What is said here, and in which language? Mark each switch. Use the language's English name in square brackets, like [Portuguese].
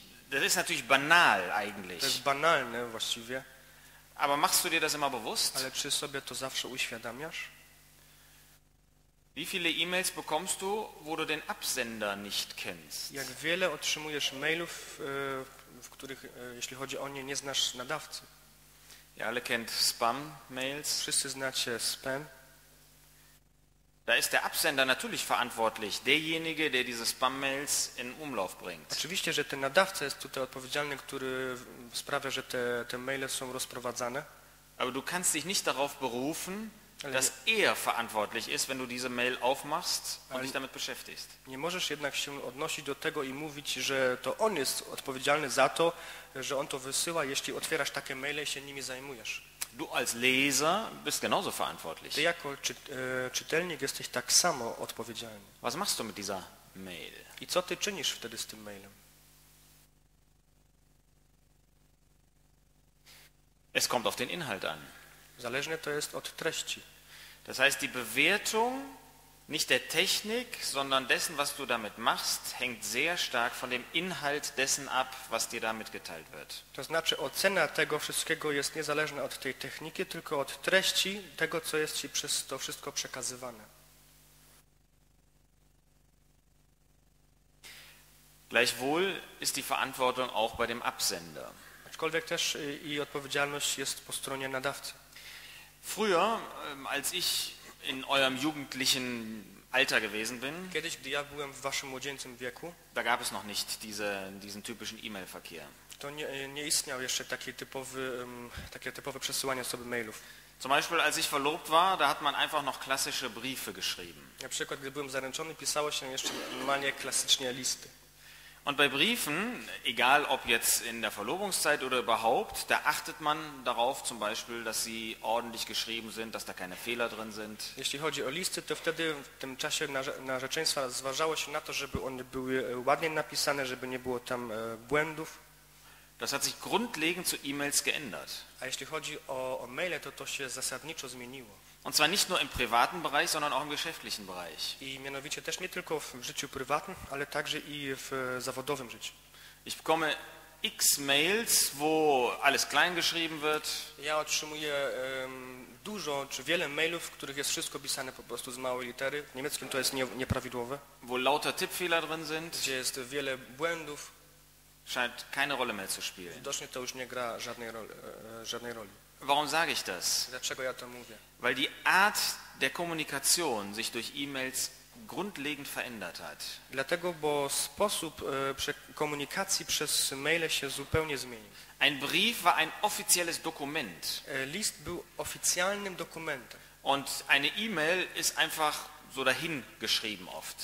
[German] Das ist natürlich banal eigentlich. Das ist banal, ne, [Polish] właściwie. [German] Aber machst du dir das immer bewusst? [Polish] Ale czy sobie to zawsze uświadamiasz? [German] Wie viele E-Mails bekommst du, wo du den Absender nicht kennst? [Polish] Jak wiele otrzymujesz mailów, w których, jeśli chodzi o nie, nie znasz nadawcy? [German] Ihr alle kennt Spam-Mails. [Polish] Wszyscy znacie Spam. [German] Da ist der Absender natürlich verantwortlich, derjenige, der diese Spam-Mails in Umlauf bringt. [Polish] Oczywiście, że ten nadawca jest tutaj odpowiedzialny, który sprawia, że te maile są rozprowadzane. [German] Aber du kannst dich nicht darauf berufen, dass er verantwortlich ist, wenn du diese Mail aufmachst und dich damit beschäftigst. [Polish] Nie możesz jednak się odnosić do tego i mówić, że to on jest odpowiedzialny za to, że on to wysyła, jeśli otwierasz takie maile i się nimi zajmujesz. [German] Du als Leser bist genauso verantwortlich. [Polish] Ty jako czytelnik jesteś tak samo odpowiedzialny. [German] Was machst du mit dieser Mail? [Polish] I co ty czynisz wtedy z tym mailem? [German] Es kommt auf den Inhalt an. [Polish] Zależne to jest od treści. [German] Das heißt, die Bewertung Nicht der Technik, sondern dessen, was du damit machst, hängt sehr stark von dem Inhalt dessen ab, was dir damit geteilt wird. [Polish] To znaczy, ocena tego wszystkiego jest niezależna od tej techniki, tylko od treści tego, co jest ci przez to wszystko przekazywane. [German] Gleichwohl ist die Verantwortung auch bei dem Absender. [Polish] Aczkolwiek też i odpowiedzialność jest po stronie nadawcy. [German] Früher, als ich in eurem jugendlichen Alter gewesen bin, [Polish] kiedyś, gdy ja byłem w waszym młodzieńczym wieku, [German] da gab es noch nicht diesen typischen E-Mail-Verkehr. [Polish] To nie istniał jeszcze takie typowe przesyłanie sobie mailów. [German] Zum Beispiel, als ich verlobt war, da hat man einfach noch klassische Briefe geschrieben. [Polish] Na przykład, gdy byłem zaręczony, pisało się jeszcze normalnie klasycznie listy. [German] Und bei Briefen, egal ob jetzt in der Verlobungszeit oder überhaupt, da achtet man darauf zum Beispiel, dass sie ordentlich geschrieben sind, dass da keine Fehler drin sind. [Polish] Jeśli chodzi o listy, to wtedy w tym czasie narzeczeństwa zważało się na to, żeby one były ładnie napisane, żeby nie było tam błędów. [German] Das hat sich grundlegend zu E-Mails geändert. [Polish] A jeśli chodzi o maile, to się zasadniczo zmieniło. [German] Und zwar nicht nur im privaten Bereich, sondern auch im geschäftlichen Bereich. [Polish] I mianowicie też nie tylko w życiu prywatnym, ale także i w zawodowym życiu. [German] Ich bekomme x Mails, wo alles klein geschrieben wird. [Polish] Ja otrzymuję dużo czy wiele mailów, w których jest wszystko pisane po prostu z małej litery. W niemieckim to jest nieprawidłowe. [German] Wo lauter Tippfehler drin sind. [Polish] Gdzie jest wiele błędów. [German] Scheint keine Rolle mehr zu spielen. [Polish] Widocznie to już nie gra żadnej roli. [German] Warum sage ich das? [Polish] Dlaczego ja to mówię? [German] Weil die Art der Kommunikation sich durch E-Mails grundlegend verändert hat. [Polish] Dlatego, bo sposób komunikacji przez maile się zupełnie zmienił. [German] Ein Brief war ein offizielles Dokument. [Polish] List był oficjalnym dokumentem. [German] Und eine E-Mail ist einfach so dahin geschrieben oft.